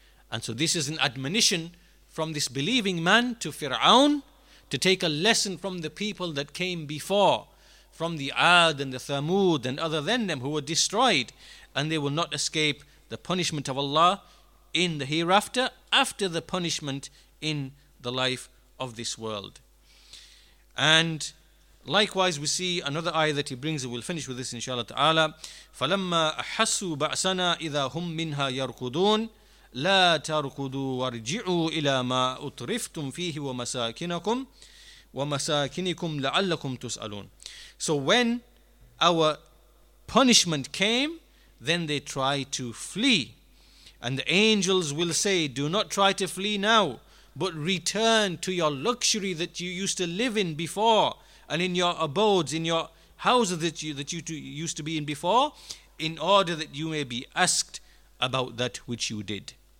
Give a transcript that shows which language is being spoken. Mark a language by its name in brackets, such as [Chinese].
[English] And so this is an admonition from this believing man to Fir'aun, to take a lesson from the people that came before, from the Ad and the Thamud and other than them who were destroyed, and they will not escape the punishment of Allah in the hereafter, after the punishment in the life of this world. And likewise we see another ayah that he brings, and we'll finish with this inshallah ta'ala. [Arabic] فَلَمَّا أَحَسُّوا بَعْسَنَا إِذَا هُمْ مِنْهَا يَرْكُدُونَ لا تركضوا وارجعوا إلى ما أترفتم فيه ومساكنكم ومساكنكم لعلكم تسألون. [English] So when our punishment came, then they tried to flee. And the angels will say, do not try to flee now, but return to your luxury that you used to live in before, and in your abodes, in your houses that you used to be in before, in order that you may be asked about that which you did.